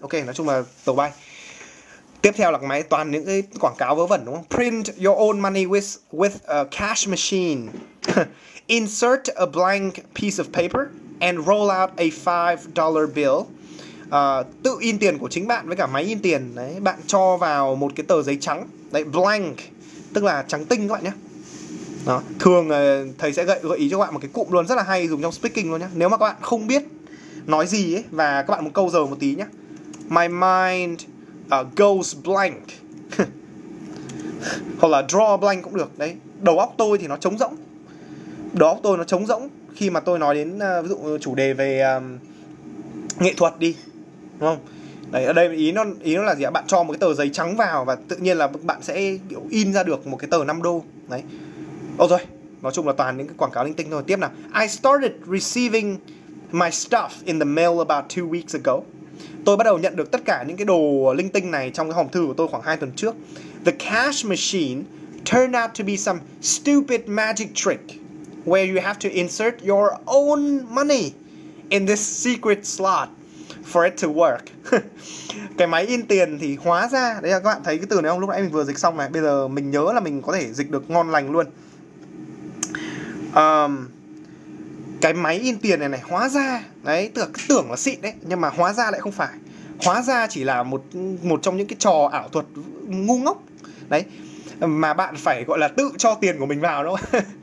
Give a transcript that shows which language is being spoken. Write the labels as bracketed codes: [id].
[vi] Ok, nói chung là tàu bay. Tiếp theo là cái máy toàn những cái quảng cáo vớ vẩn, đúng không? [en] Print your own money with a cash machine. Insert a blank piece of paper and roll out a $5 bill. [vi] Tự in tiền của chính bạn với cả máy in tiền đấy, bạn cho vào một cái tờ giấy trắng đấy, blank tức là trắng tinh các bạn nhé. Đó, thường thầy sẽ gợi ý cho các bạn một cái cụm luôn rất là hay dùng trong speaking luôn nhé. Nếu mà các bạn không biết nói gì ấy, và các bạn muốn câu giờ một tí nhé, [en] my mind goes blank. [vi] Hoặc là draw blank cũng được đấy. Đầu óc tôi thì nó trống rỗng, đầu óc tôi nó trống rỗng khi mà tôi nói đến ví dụ chủ đề về nghệ thuật đi, đúng không? Đấy, ở đây ý nó là gì ạ? Bạn cho một cái tờ giấy trắng vào và tự nhiên là bạn sẽ kiểu in ra được một cái tờ 5 đô. Đấy. Ôi rồi, nói chung là toàn những cái quảng cáo linh tinh thôi. Tiếp nào. [en] I started receiving my stuff in the mail about 2 weeks ago. [vi] Tôi bắt đầu nhận được tất cả những cái đồ linh tinh này trong cái hòm thư của tôi khoảng 2 tuần trước. [en] The cash machine turn out to be some stupid magic trick where you have to insert your own money in this secret slot for it to work. [vi] Cái máy in tiền thì hóa ra, đấy là các bạn thấy cái từ này không? Lúc nãy mình vừa dịch xong này, bây giờ mình nhớ là mình có thể dịch được ngon lành luôn. Cái máy in tiền này này, hóa ra, đấy, tưởng là xịn đấy, nhưng mà hóa ra lại không phải. Hóa ra chỉ là một trong những cái trò ảo thuật ngu ngốc đấy, mà bạn phải gọi là tự cho tiền của mình vào đúng không?